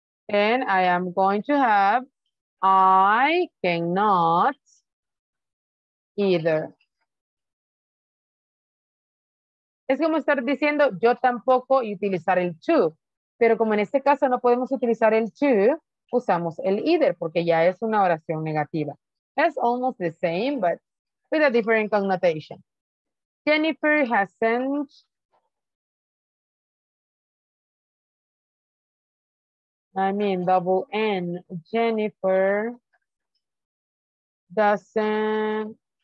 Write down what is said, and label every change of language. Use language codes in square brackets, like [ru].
[en] And I am going to have, I cannot either. [es] Es como estar diciendo, yo tampoco, y utilizar el to. Pero como en este caso no podemos utilizar el to, usamos el either, porque ya es una oración negativa. [en] It's almost the same, but with a different connotation. Jennifer hasn't... I mean, double N. Jennifer doesn't...